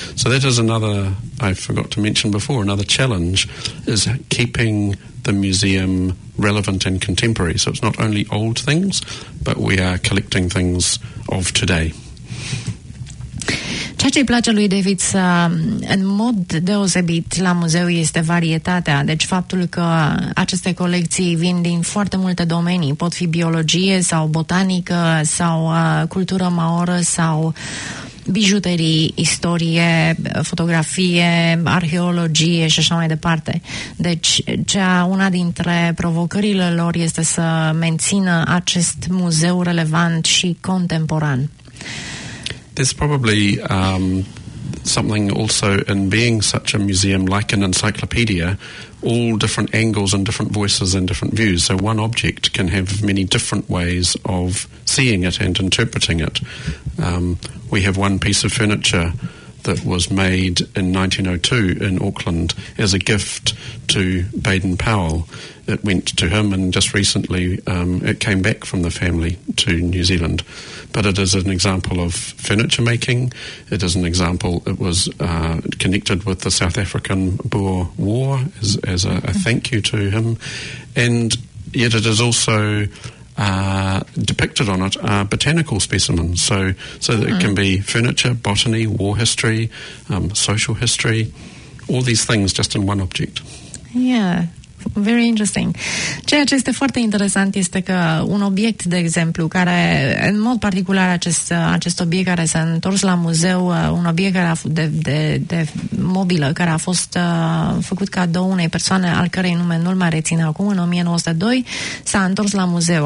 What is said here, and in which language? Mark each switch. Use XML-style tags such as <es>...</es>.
<en>So that is another, I forgot to mention before, another challenge is keeping the museum relevant and contemporary. So it's not only old things, but we are collecting things of today.</en> <ro>Ceea ce îi place lui David în mod deosebit la muzeu este varietatea, deci faptul că aceste colecții vin din foarte multe domenii, pot fi biologie sau botanică sau cultură maoră sau bijuterii, istorie, fotografie, arheologie și așa mai departe. Deci, una dintre provocările lor este să mențină acest muzeu relevant și contemporan.</ro> <en>There's probably something also in being such a museum, like an encyclopedia, all different angles and different voices and different views. So one object can have many different ways of seeing it and interpreting it. We have one piece of furniture that was made in 1902 in Auckland as a gift to Baden Powell. It went to him, and just recently it came back from the family to New Zealand. But it is an example of furniture making. It is an example. It was connected with the South African Boer War as a thank you to him. And yet it is also depicted on it are botanical specimens. So that it can be furniture, botany, war history, social history, all these things just in one object. Yeah. Very interesting.</en> <ro>Ceea ce este foarte interesant este că un obiect, de exemplu, care, în mod particular acest obiect care s-a întors la muzeu, un obiect care a fost de mobilă, care a fost făcut cadou unei persoane al cărei nume nu-l mai rețin acum, în 1902, s-a întors la muzeu.</ro>